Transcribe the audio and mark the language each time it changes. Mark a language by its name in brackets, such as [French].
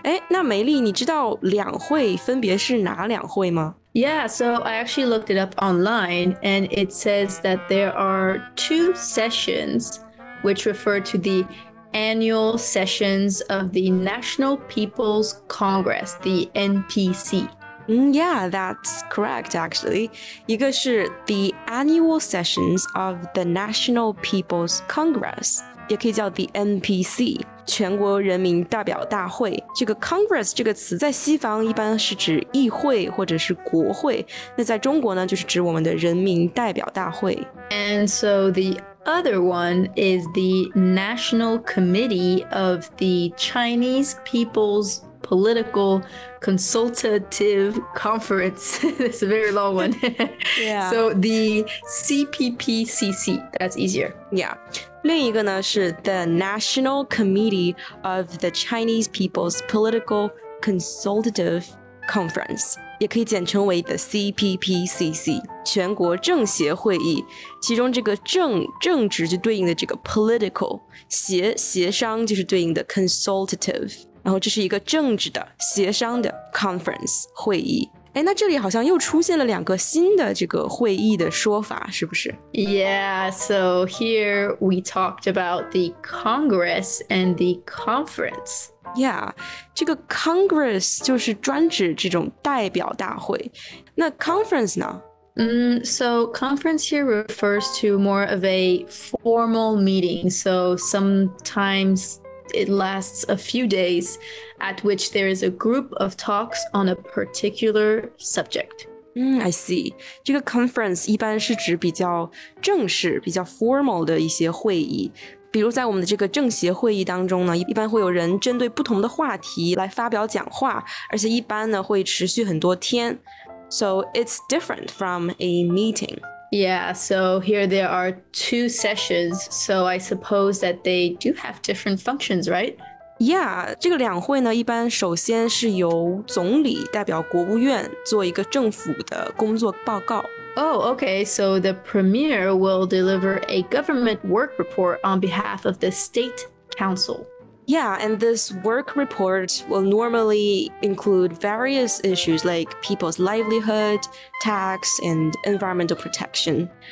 [Chinese] 那梅丽，你知道两会分别是哪两会吗？ [English] Yeah, so I actually looked it up online, and it says that there are two sessions which refer to the annual sessions of the National People's Congress, the NPC. Yeah, that's correct, actually. [Chinese] 一个是 [English] the annual sessions of the National People's Congress, [Chinese] 也可以叫 [English] the NPC. [Chinese] 全国人民代表大会，这个 Congress 这个词在西方一般是指议会或者是国会，那在中国呢，就是指我们的人民代表大会。 [English] And so the other one is the National Committee of the Chinese People's Political Consultative Conference. It's a very long one. Yeah. So the CPPCC, that's easier. Yeah. [Chinese] 另一个呢是 [English] the National Committee of the Chinese People's Political Consultative Conference, [Chinese] 也可以简称为 [English] the CPPCC, [Chinese] 全国政协会议。其中这个政治就对应的这个 political, 协商就是对应的 consultative, 然后这是一个政治的协商的 conference 会议。哎，那这里好像又出现了两个新的这个会议的说法，是不是？ [English] Yeah, so here we talked about the Congress and the Conference. Yeah, [Chinese] 这个 Congress 就是专指这种代表大会，那 Conference 呢？ [English] So conference here refers to more of a formal meeting. So sometimes it lasts a few days at which there is a group of talks on a particular subject. I see. [Chinese] 这个 conference 一般是指比较正式、比较 formal 的一些会议。比如在我们的这个政协会议当中呢，一般会有人针对不同的话题来发表讲话，而且一般呢会持续很多天。 [English] So it's different from a meeting. Yeah, so here there are two sessions, so I suppose that they do have different functions, right? Yeah, [Chinese] 这个两会呢一般首先是由总理代表国务院做一个政府的工作报告。 [English] Oh, okay, so the premier will deliver a government work report on behalf of the state council. Yeah, and this work report will normally include various issues like people's livelihood, tax, and environmental protection.